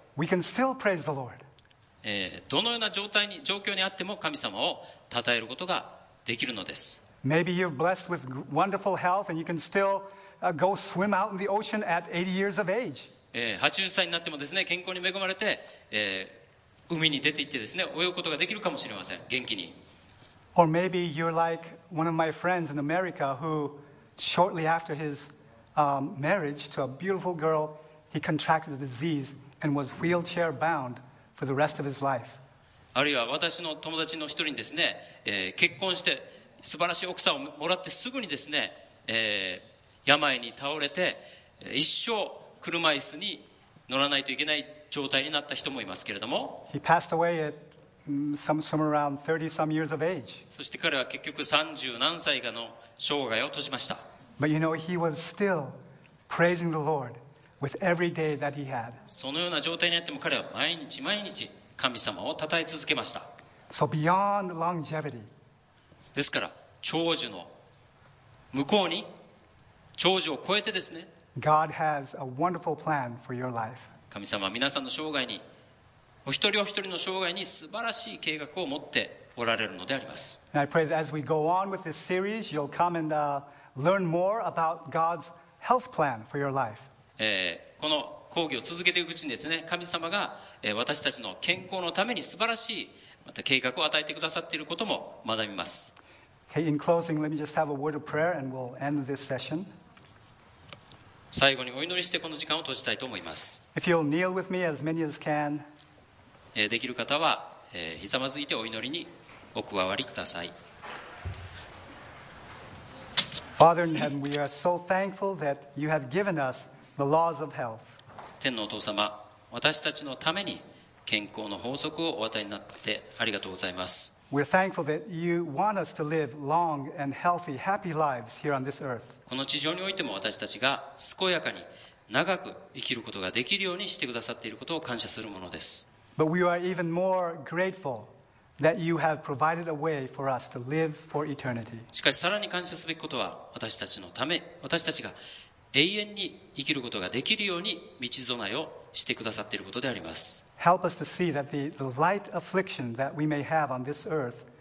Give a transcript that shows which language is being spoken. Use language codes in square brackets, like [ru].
[en] We can still praise the Lord. [ja] どのような状態に状況にあっても神様を称えることができるのです。 [en] Maybe you're blessed with wonderful health and you can still go swim out in the ocean at 80 years of age. [ja] 80歳になってもですね、健康に恵まれて、海に出て行ってですね、泳ぐことができるかもしれません。元気に。 [en] Or maybe you're like one of my friends in America who shortly after his marriage to a beautiful girl, he contracted a disease and was wheelchair bound for the rest of his life. [ja] あるいは私の友達の一人にですね、結婚して素晴らしい奥さんをもらってすぐにですね、病に倒れて一生車椅子に乗らないといけない状態になった人もいますけれども、 [en] He passed away at somewhere around 30 some years of age. [ja] そして彼は結局30何歳かの生涯を閉じました。 [en] But you know, he was still praising the Lord with every day that he had. [ja] そのような状態になっても彼は毎日毎日神様を讃え続けました。 [en] So beyond longevity. [ja] ですから長寿の向こうに長寿を超えてですね、 [en] God has a wonderful plan for your life. [ja] 神様は皆さんの生涯に、お一人お一人の生涯に素晴らしい計画を持っておられるのであります。 [en] And I pray that as we go on with this series, you'll come and learn more about God's health plan for your life. [ja] この講義を続けていくうちにですね、神様が私たちの健康のために素晴らしいまた計画を与えてくださっていることも学びます。 [en] Okay, in closing, let me just have a word of prayer and we'll end this session. [ja] 最後にお祈りしてこの時間を閉じたいと思います。 [en] If you'll kneel with me, as many as can. [ja] できる方は、ひざまずいてお祈りにお加わりください。 [en] Father in heaven, we are so thankful that you have given us the laws of health. [ja] 天のお父様、私たちのために健康の法則をお与えになってありがとうございます。 [en] We're thankful that you want us to live long and healthy, happy lives here on this earth. [ja] この地上においても私たちが健やかに長く生きることができるようにしてくださっていることを感謝するものです。 [en] But we are even more grateful that you have provided a way for us to live for eternity. [ja] しかしさらに感謝すべきことは、私たちのため、私たちが永遠に生きることができるように道備えをしてくださっていることであります。 [en] Help us to see that the light affliction that we may have on this earth.